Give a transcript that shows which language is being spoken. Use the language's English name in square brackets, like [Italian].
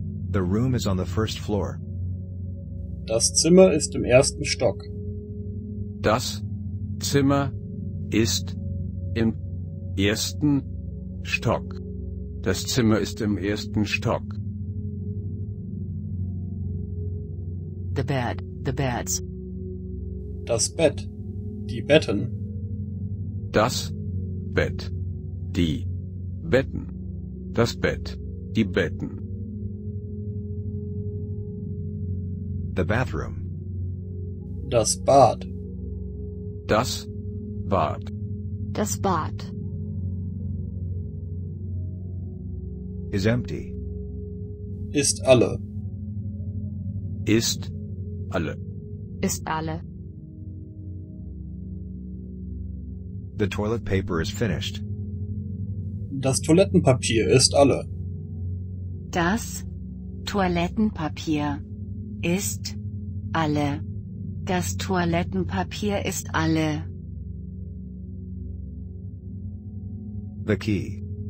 [English] The room is on the first floor. [German] Das Zimmer ist im ersten Stock. Das Zimmer ist im ersten Stock. Das Zimmer ist im ersten Stock. [English] The bed, the beds. [German] Das Bett, die Betten. Das Bett, die Betten. Das Bett, die Betten. [English] The bathroom. [German] Das Bad. Das Bad. Das Bad. [English] Is empty. [German] Ist alle. Ist alle. Ist alle. [English] The toilet paper is finished. [German] Das Toilettenpapier ist alle. Das Toilettenpapier ist alle. Das Toilettenpapier ist alle. [English] The key.